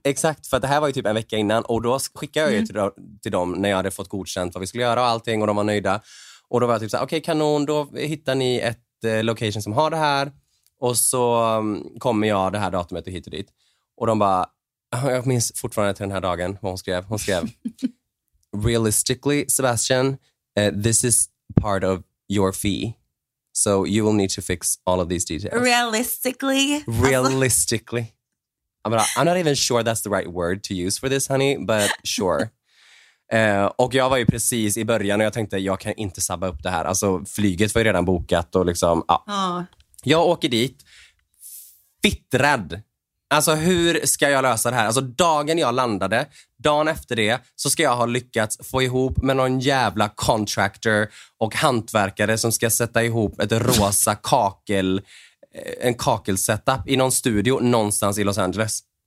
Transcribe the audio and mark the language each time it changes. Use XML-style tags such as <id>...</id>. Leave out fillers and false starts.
<sv>Exakt, för att det här var ju typ en vecka innan. Och då skickade jag ju till dem när jag hade fått godkänt vad vi skulle göra och allting. Och de var nöjda. Och då var jag typ så här, okej, kanon. Då hittar ni ett location som har det här. Och så kommer jag det här datumet och hit och dit. Och de bara, jag minns fortfarande till den här dagen vad hon skrev. Hon skrev,</sv> <en>realistically Sebastian, this is part of your fee. So you will need to fix all of these details. Realistically? Realistically. I'm not even sure that's the right word to use for this honey, but sure.</en> <sv>Och jag var ju precis i början och jag tänkte, jag kan inte sabba upp det här. Alltså flyget var ju redan bokat och liksom, ja. Ah. Jag åker dit, fittrad. Alltså hur ska jag lösa det här? Alltså dagen jag landade, dagen efter det, så ska jag ha lyckats få ihop med någon jävla contractor och hantverkare som ska sätta ihop ett rosa kakel, en kakelsetup i någon studio någonstans i Los Angeles.</sv>